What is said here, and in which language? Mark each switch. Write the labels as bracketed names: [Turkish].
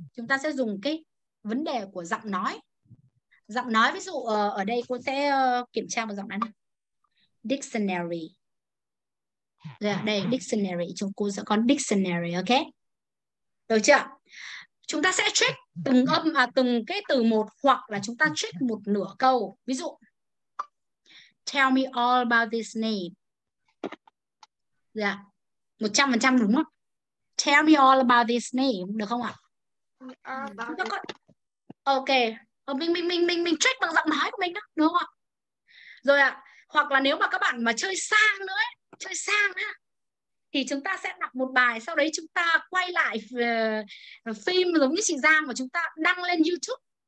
[Vietnamese] Chúng ta sẽ dùng cái vấn đề của giọng nói. Giọng nói, ví dụ ở đây cô sẽ kiểm tra một giọng nói này. Dictionary. Rồi, đây, dictionary. Chúng cô sẽ có dictionary, ok? Được chưa? Chúng ta sẽ check từng âm, từng cái từ một, hoặc là chúng ta check một nửa câu. Ví dụ, [English] tell me all about this name. [Vietnamese] Dạ. 100% đúng không? [English] Tell me all about this name, [Vietnamese] được không ạ? Ok. Mình check bằng giọng nói của mình đó, đúng không ạ? Rồi ạ. Hoặc là nếu mà các bạn mà chơi sang nữa ấy, chơi sang ha, thì chúng ta sẽ đọc một bài, sau đấy chúng ta quay lại phim giống như chị Giang và chúng ta đăng lên YouTube.